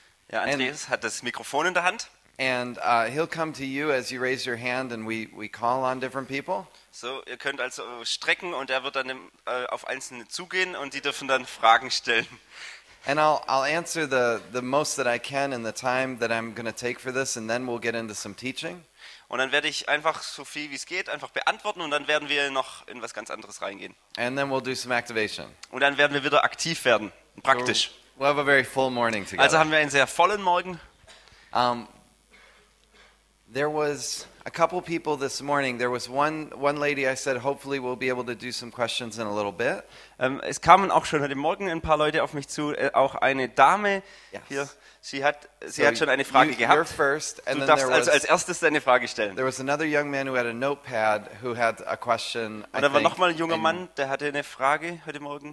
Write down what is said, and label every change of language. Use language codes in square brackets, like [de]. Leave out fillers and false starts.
[de] Ja, Andreas hat das Mikrofon in der Hand. [en] And he'll come to you as you raise your hand and we call on different people. [de] So, ihr könnt also strecken und er wird dann auf einzelne zugehen und die dürfen dann Fragen stellen. [en] And I'll answer the most that I can in the time that I'm going to take for this and then we'll get into some teaching. [de] Und dann werde ich einfach so viel wie es geht einfach beantworten und dann werden wir noch in was ganz anderes reingehen. [en] And then we'll do some activation. [de] Und dann werden wir wieder aktiv werden, praktisch. [en] We'll have a very full morning together. [de] Also haben wir einen sehr vollen Morgen. [en] There was a couple people this morning. There was one lady I said hopefully we'll be able to do some questions in a little bit. [de] Es kamen auch schon heute Morgen ein paar Leute auf mich zu, auch eine Dame. [en] Yes. [de] Hier. Sie hat schon eine Frage gehabt. [en] You're first, and [de] du darfst also als erstes deine Frage stellen. [en] There was another young man who had a notepad who had a question. [de] Und da war noch mal ein junger Mann, der hatte eine Frage heute Morgen.